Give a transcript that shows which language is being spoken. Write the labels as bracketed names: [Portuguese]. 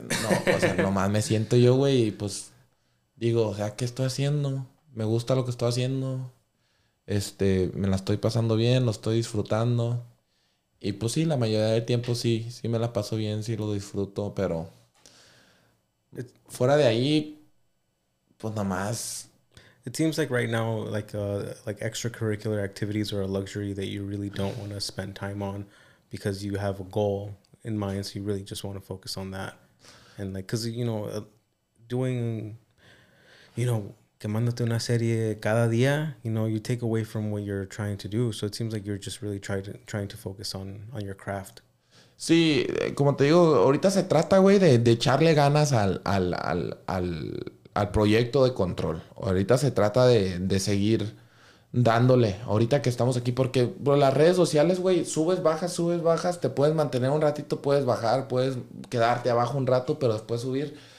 [Spanish] No, o sea, nomás me siento yo, güey, y pues... Digo, o sea, ¿qué estoy haciendo? Me gusta lo que estoy haciendo. Me la estoy pasando bien, lo estoy disfrutando. Y pues sí, la mayoría del tiempo sí, sí me la paso bien, sí lo disfruto, pero... Fuera de ahí, pues nomás... [English] It seems like right now, like extracurricular activities are a luxury that you really don't want to spend time on. Because you have a goal in mind, so you really just want to focus on that. And like, because, you know, doing, you know, [Spanish] quemándote una serie cada día, [English] you know, you take away from what you're trying to do. So it seems like you're just really trying to focus on your craft. [Spanish] Sí, como te digo, ahorita se trata, güey, de echarle ganas al proyecto de control. Ahorita se trata de seguir... dándole, ahorita que estamos aquí, porque bro, las redes sociales, güey, subes, bajas, te puedes mantener un ratito, puedes bajar, puedes quedarte abajo un rato, pero después subir.